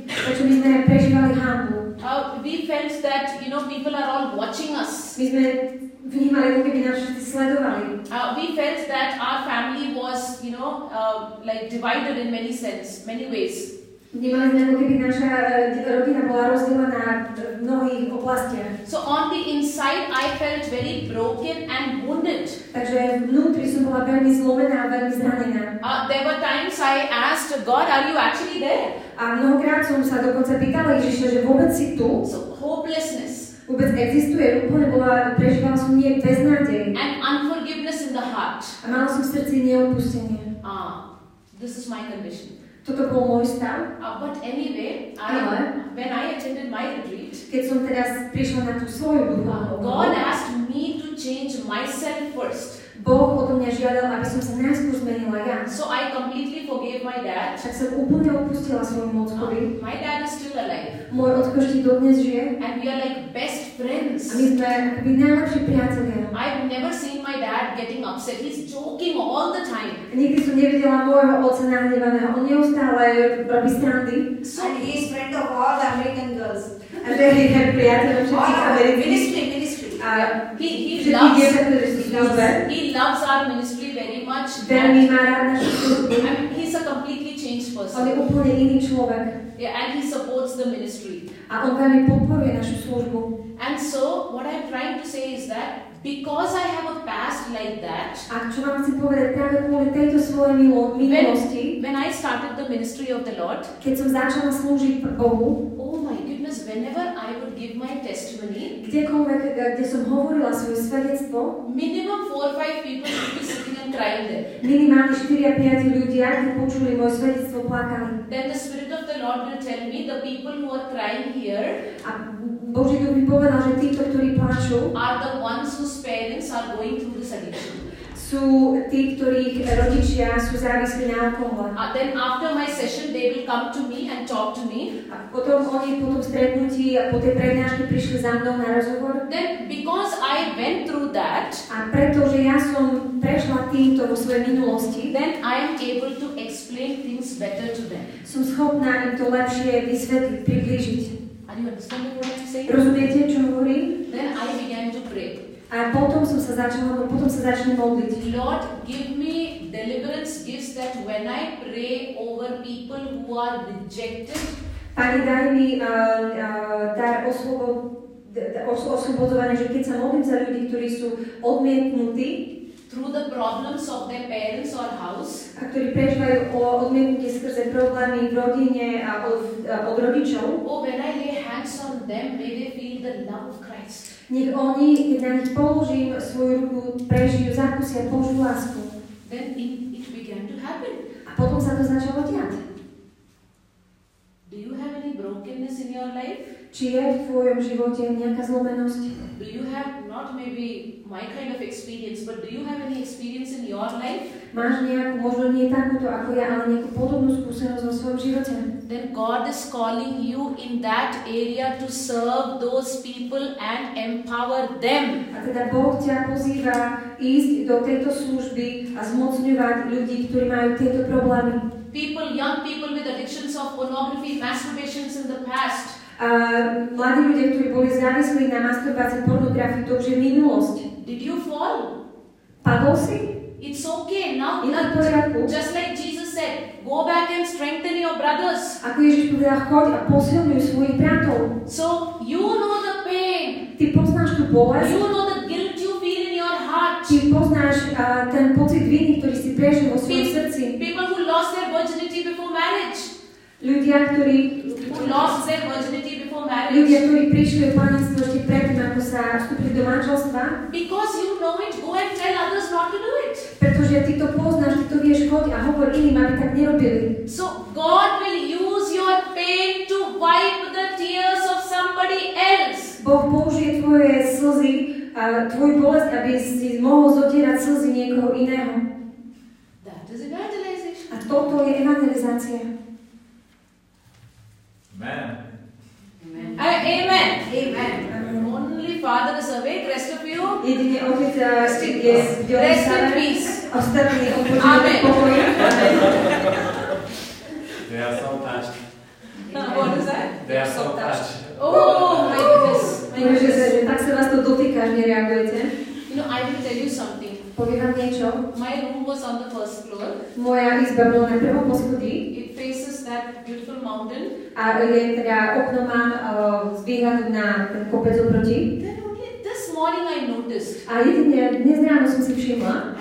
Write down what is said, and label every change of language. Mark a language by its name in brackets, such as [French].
[Slovak] Prečo my sme prežívali hanbu. [English] We felt that, you know, people are all watching us. [Slovak] My sme vnímali, ako keby nás všetci sledovali. [English] We felt that our family was, you know, like divided in many sense, many ways. [Slovak] Vnímali sme, ako keby naša rodina bola rozdelená v mnohých oblastiach. [English] So on the inside, I felt very broken and wounded. [Slovak] Takže vnútri som bola veľmi zlomená a veľmi zranená. [English] There were times I asked God, are you actually there? [Slovak] A mnohokrát som sa dokonca pýtala Ježiša, že vôbec si tu? [English] So hopelessness. [Slovak] Vôbec existuje, úplne bola, prežívala som nie bez nádej. [English] And unforgiveness in the heart. [Slovak] A mala som v srdci neodpustenie. [English] This is my condition. [Slovak] Toto bol môj stav. [English] But anyway, when I attended my retreat, [Slovak] keď som teda prišla na tú svoju duchu, [English] God asked me to change myself first. [Slovak] Boh o to mňa žiadal, aby som sa najskôr zmenila ja. [English] So I completely forgave my dad. [Slovak] Tak som úplne opustila svojmu otcovi. [English] My dad is still alive. [Slovak] Môj otko ešte dodnes žije. [English] And we are like best friends. [Slovak] A my sme akoby najlepší priatelia. [English] I've never seen my dad getting upset. He's joking all the time. [Slovak] Nikdy som nevidela môjho otca nahnevaného. On neustále robí strandy. [English] So and he's friend of all the American girls. [Slovak] A že je ten priateľ všetkých Amerikých. [English] He loves our ministry very much. [Slovak] Veľmi má rád našu službu. [English] He's a completely changed person. [Slovak] On je úplne iný človek. [English] Yeah, and he supports the ministry. [Slovak] A on veľmi podporuje našu službu. [English] And so, what I'm trying to say is that, because I have a past like that, [Slovak] a čo vám chcem povedať, práve kvôli tejto svojej minulosti, [English] when I started the ministry of the Lord, [Slovak] keď som začala slúžiť Bohu, [English] whenever I would give my testimony, [Slovak] kdekoľvek, kde som hovorila svoje svedectvo, [English] minimum 4-5 people would be sitting and crying there. [Slovak] Minimálne 4-5 ľudia, keď počuli moje svedectvo, plakali. [English] Then the Spirit of the Lord will tell me, the people who are crying here, [Slovak] a Boží duch mi povedal, že títo, ktorí plačú, [English] are the ones whose parents are going through this addiction. [Slovak] Sú tí, ktorých rodičia sú závislí na alkohole. [English] Then after my session they will come to me and talk to me. [Slovak] A potom oni po tom stretnutí a po tej prednáške prišli za mnou na rozhovor. [English] Then because I went through that, [Slovak] a pretože ja som prešla týmto vo svojej minulosti, [English] then I am able to explain things better to them. [Slovak] Som schopná im to lepšie vysvetliť, približiť. [English] Are you understanding what I'm saying? [Slovak] Rozumiete, čo hovorím? [English] Then I began to pray. [Slovak] A potom som sa začala, potom sa začne modliť. [English] Lord, give me deliverance gifts that when I pray over people who are rejected. [Slovak] Pane, daj mi dar oslobodzovanie, že keď sa modlím za ľudí, ktorí sú odmietnutí, [English] through the problems of their parents or house, [Slovak] a ktorí prežívajú odmietnutie skrze problémy v rodine a od rodičov, [English] oh, when I lay hands on them, may they feel the love of Christ. [Slovak] Nech oni, keď na nich položím svoju ruku, prežijú, zakúsia Božiu lásku. [English] Then it began to happen. [Slovak] A potom sa to začalo diať. [English] Do you have any brokenness in your life? [Slovak] Či je v tvojom živote nejaká zlomenosť? [English] Do you have not maybe my kind of experience, but do you have any experience in your life? [Slovak] Máš nejakú, možno nie takúto ako ja, ale nejakú podobnú skúsenosť vo svojom živote? [English] Then God is calling you in that area to serve those people and empower them. [Slovak] A teda Boh ťa pozýva ísť do tejto služby a zmocňovať ľudí, ktorí majú tieto problémy. [English] People, young people with addictions of pornography, masturbations in the past. [Slovak] Mladí ľudia, ktorí boli závislí na masturbácii, pornografii, to už je minulosť. [English] Did you fall? [Slovak] Padol si? [English] It's okay, now [Slovak] poriadku. [English] Just like Jesus said, go back and strengthen your brothers. [Slovak] Ako Ježiš povedal, choď a posilňuj svojich bratov. [English] So, you know the pain. [Slovak] Ty poznáš tú bolesť. [English] You know the guilt you feel in your heart. [Slovak] Ty poznáš ten pocit viny, ktorý si prežil vo svojom srdci. [English] People who lost their virginity before marriage. [Slovak] Ľudia, ktorí [English] lost their virginity before marriage. [Slovak] Ľudia, ktorí prišli o panenstvo ešte predtým, ako sa vstúpili do manželstva. [English] Because you know it, go and tell others not to do it. [Slovak] Pretože ty to poznáš, ty to vieš, chod a hovor iným, aby tak nerobili. [English] So God will use your pain to wipe the tears of somebody else. [Slovak] Boh použije tvoje slzy, tvoju bolest, aby si mohol zotierať slzy niekoho iného. [English] That is evangelization. [Slovak] A toto je evangelizácia. [English] Amen. [Slovak] Amen. [English] Amen. Only Father is awake. Rest of you. [Slovak] Jedine Otec je [English] still yes. Rest in peace. [Slovak] Ostatní odpočívajte v pokoji. [English] Amen. They are so touched. What is that? They are so touched. Oh, my goodness. My goodness. [Slovak] Tak sa vás to dotýka, že nereagujete. [English] You know, I will tell you something. [Slovak] Poviem vám niečo. [English] My room was on the first floor. [Slovak] Moja izba bola na prvom poschodí. [English] It faces that beautiful mountain. [Slovak] A je teda okno mám zvýhľadu na ten kopec oproti. [English] This morning I noticed. [Slovak] A jedine, dnes ráno som si všimla.